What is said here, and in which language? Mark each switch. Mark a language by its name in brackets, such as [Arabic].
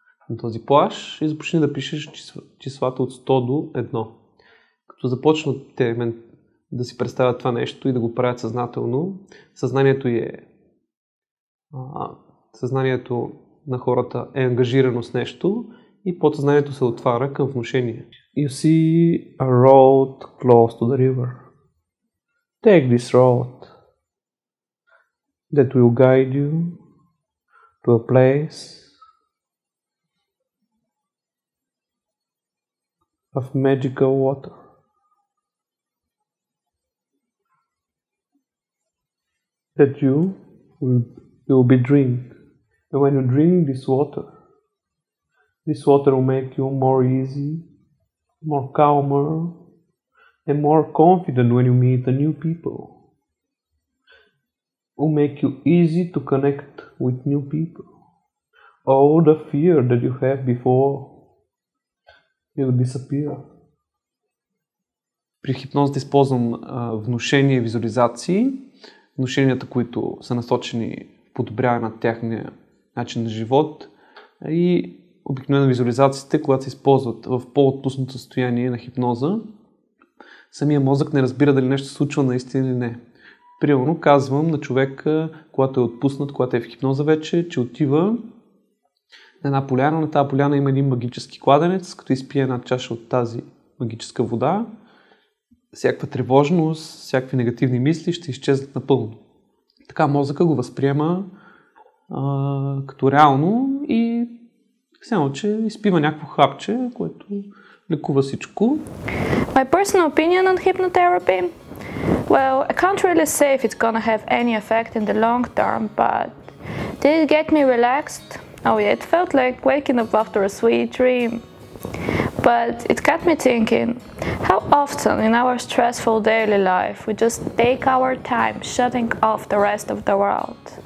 [Bulgarian] на този плаш и започни да пишеш числата от 100 до 1. Като започнат те да си представят това нещо и да го правят съзнателно, съзнанието е... съзнанието на хората е ангажирано с нещо и подсъзнанието се отваря към внушение. [English] You see a road close to the river. Take this road that will guide you to a place of magical water. That you will be drink. And when you drink this water will make you more easy, more calmer, and more confident when you meet the new people. It will make you easy to connect with new people. All the fear that you have before will disappear. [Bulgarian] При хипноза използвам внушение и визуализации. Внушенията, които са насочени в подобряване на тяхния начин на живот и обикновено визуализациите, когато се използват в по-отпуснато състояние на хипноза, самия мозък не разбира дали нещо се случва наистина или не. Примерно казвам на човека, когато е отпуснат, когато е в хипноза вече, че отива на една поляна, на тази поляна има един магически кладенец, като изпие една чаша от тази магическа вода, всякаква тревожност, всякакви негативни мисли ще изчезнат напълно. Така мозъка го възприема като реално и само, че изпива някакво хапче, което лекува всичко. [English] My personal opinion on hypnotherapy? Well, I can't really say if it's gonna have any effect in the long term, but did it get me relaxed? Oh yeah, it felt like waking up after a sweet dream. But it got me thinking, how often in our stressful daily life we just take our time shutting off the rest of the world?